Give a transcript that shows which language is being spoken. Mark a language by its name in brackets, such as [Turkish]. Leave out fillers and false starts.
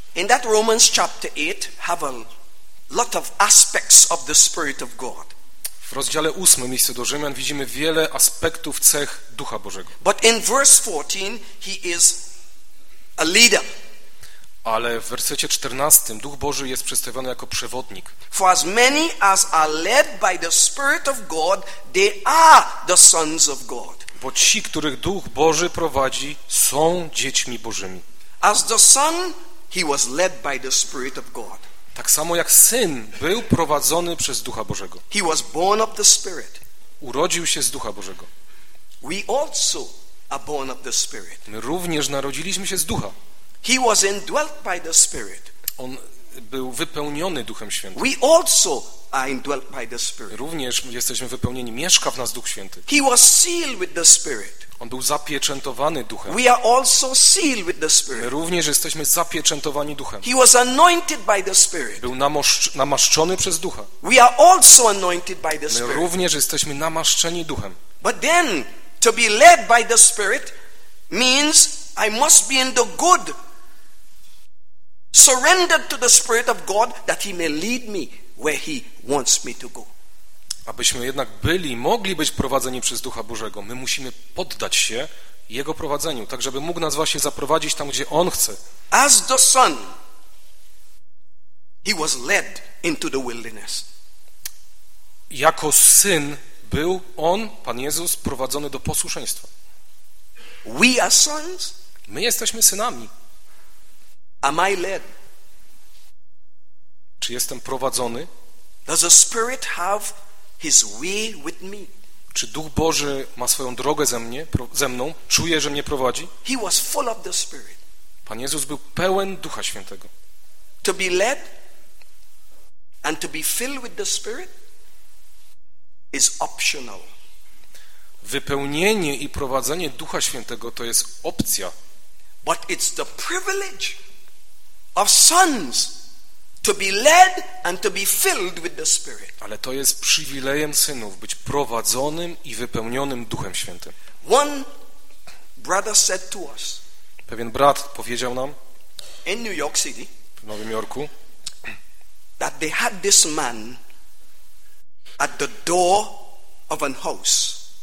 [English] In that Romans chapter 8 have a lot of aspects of the Spirit of God. [Polish] W rozdziale 8 listu do Rzymian widzimy wiele aspektów cech Ducha Bożego. [English] But in verse 14 he is a leader. [Polish] Ale w wersecie 14 Duch Boży jest przedstawiony jako przewodnik. [English] For as many as are led by the Spirit of God, they are the sons of God. [Polish] Bo ci, których Duch Boży prowadzi, są dziećmi Bożymi. [English] As the son, he was led by the Spirit of God. [Polish] Tak samo jak syn był prowadzony przez Ducha Bożego. [English] He was born of the Spirit. [Polish] Urodził się z Ducha Bożego. [English] We also are born of the Spirit. [Polish] My również narodziliśmy się z Ducha. [English] He was indwelt by the Spirit. [Polish] On był wypełniony Duchem Świętym. [English] We also are indwelt by the Spirit. [Polish] Również jesteśmy wypełnieni, mieszka w nas Duch Święty. [English] He was sealed with the Spirit. [Polish] On był zapieczętowany Duchem. [English] We are also sealed with the Spirit. [Polish] My również jesteśmy zapieczętowani Duchem. [English] He was anointed by the Spirit. [Polish] Był namaszczony przez Ducha. [English] We are also anointed by the Spirit. [Polish] My również jesteśmy namaszczeni Duchem. [English] But then to be led by the Spirit means I must be in the good, surrendered to the Spirit of God, that He may lead me where He wants me to go. [Polish] Abyśmy jednak byli, mogli być prowadzeni przez Ducha Bożego, my musimy poddać się Jego prowadzeniu, tak żeby mógł nas właśnie zaprowadzić tam, gdzie On chce. [English] As the Son, He was led into the wilderness. [Polish] Jako Syn był On, Pan Jezus, prowadzony do posłuszeństwa. [English] We are sons. [Polish] My jesteśmy synami. [English] Am I led? [Polish] Czy jestem prowadzony? [English] Does the Spirit have His way with me? [Polish] Czy Duch Boży ma swoją drogę ze mną? Czuję, że mnie prowadzi? [English] He was full of the Spirit. [Polish] Pan Jezus był pełen Ducha Świętego. [English] To be led and to be filled with the Spirit is optional. [Polish] Wypełnienie i prowadzenie Ducha Świętego to jest opcja. [English] But it's the privilege of sons to be led and to be filled with the Spirit. [Polish] Ale to jest przywilejem synów, być prowadzonym i wypełnionym Duchem Świętym. [English] One brother said to us. [Polish] Pewien brat powiedział nam. [English] In New York City. [Polish] W Nowym Jorku. [English] That they had this man at the door of an house.